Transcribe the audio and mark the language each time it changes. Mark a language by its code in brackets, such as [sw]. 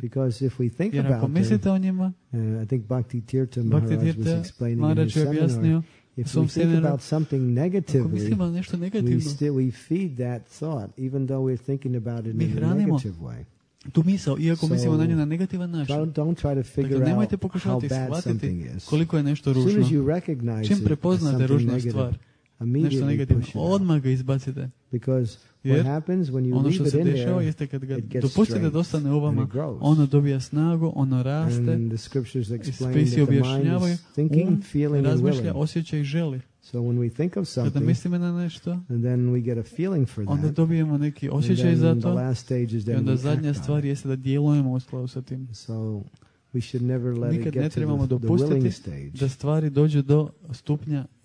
[en] Because if we think [bs] jer ako mislite o njima, [en] I think Bhakti Tirtha Maharaj was explaining if we think about something negatively, [bs] ako mislimo nešto negativno, [en] we feed that thought, even though we're thinking about it in a negative way. [bs] Tu misao, iako mislimo na nju na negativan način. Dakle, nemojte pokušati shvatiti koliko je nešto ružno. Čim prepoznate ružnu stvar, nešto negativno, odmah ga izbacite. Jer ono što se dešava jeste kad ga dopustite da ostane u vama, ono dobija snagu, ono raste, spisi objašnjavaju, um razmišlja, osjeća i želi. [en] So when we think of something, [bs] kada mislimo na nešto, [en] and then we get a feeling for that, [bs] onda dobijemo neki osjećaj za to, [en] the last stage is that [bs] i onda zadnja stvar jeste da djelujemo u skladu sa tim. [en] So we should never let [bs] nikad [en] it get [bs] ne trebamo [en] to the willing stage. [bs] Da stvari dođu do stupnja